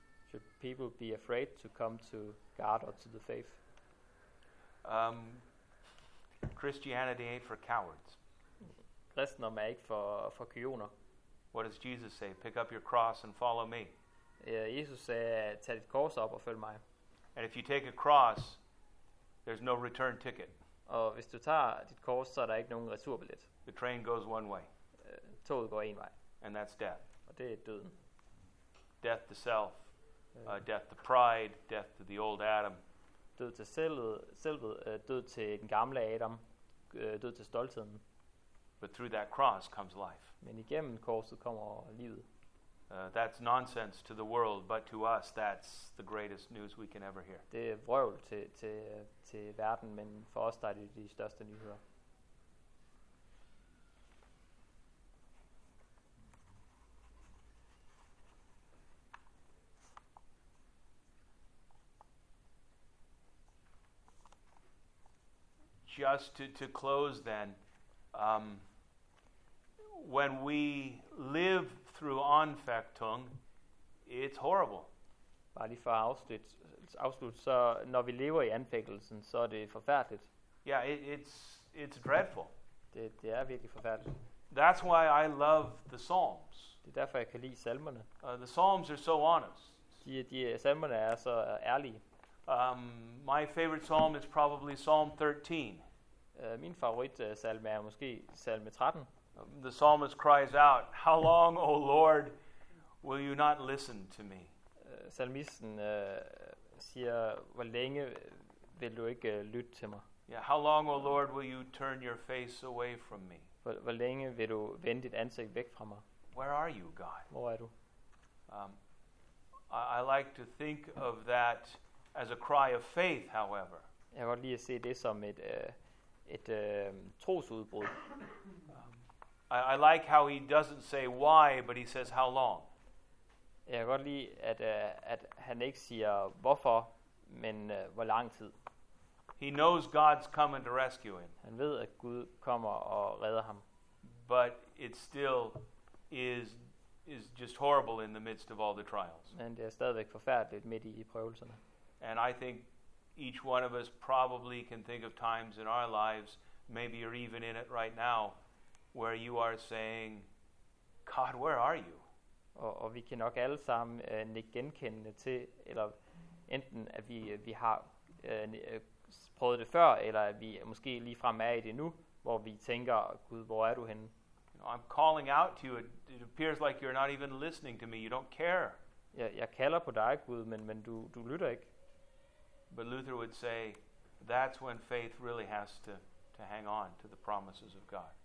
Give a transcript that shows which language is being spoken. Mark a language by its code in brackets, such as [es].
[en] Should people be afraid to come to God or to the faith? Christianity ain't for cowards. [da] Kristendom er ikke for kujoner. [en] What does Jesus say? Pick up your cross and follow me. [da] Jesus sagde, tag dit kors op og følg mig. [en] And if you take a cross, there's no return ticket. [da] Og hvis du tager dit kors, så er der ikke nogen returbillet. [en] The train goes one way. [da] Toget går en vej. [en] And that's death. [da] Og det er døden. [en] Death to self. Death to pride. Death to the old Adam. [da] Død til selvet, død til den gamle Adam, død til stoltheden. [en] But through that cross comes life. [da] Men igennem korset kommer livet. [en] That's nonsense to the world, but to us that's the greatest news we can ever hear. [da] Det er vrøvl til verden, men for os der er det de største nyheder. [en] Just to close then, when we live through anfechtung, it's horrible. [da] Bare lige for at afslutte, så når vi lever i anfægtelsen, så er det forfærdeligt. [en] Yeah, it's dreadful. [da] Det er virkelig forfærdeligt. [en] That's why I love the Psalms. [da] Det er derfor, jeg kan lide salmerne. [en] The Psalms are so honest. [da] De salmerne er så ærlige. [en] My favorite psalm is probably Psalm 13. [da] Min favorit salme er måske salme 13. [en] The psalmist cries out, "How long, O Lord, will you not listen to me?" [da] Salmisten siger, "Hvor længe vil du ikke lytte til mig?" [en] Yeah, "How long, O Lord, will you turn your face away from me?" [da] Hvor længe vil du vende dit ansigt væk fra mig? [en] "Where are you, God?" [da] Hvor er du? [en] I like to think of that as a cry of faith, however. [da] Jeg vil lige se det som et trosudbrud. [en] I like how he doesn't say why, but he says how long. [da] Jeg vil lige at han ikke siger hvorfor, men hvor lang tid. [en] He knows God's coming to rescue him. [da] Han ved at Gud kommer og redder ham. [en] But it still is just horrible in the midst of all the trials. [da] Men det er stadigvæk forfærdeligt midt i prøvelserne. [en] And I think each one of us probably can think of times in our lives, maybe you're even in it right now, where you are saying, "God, where are you?" [da] Og vi kan nok alle sammen nikke genkendende til, eller enten at vi har prøvet det før, eller at vi måske lige frem er i det nu, hvor vi tænker, Gud, hvor er du henne? [en] You know, I'm calling out to you. It appears like you're not even listening to me. You don't care. [da] Jeg kalder på dig, Gud, men du lytter ikke. [en] But Luther would say, that's when faith really has to hang on to the promises of God.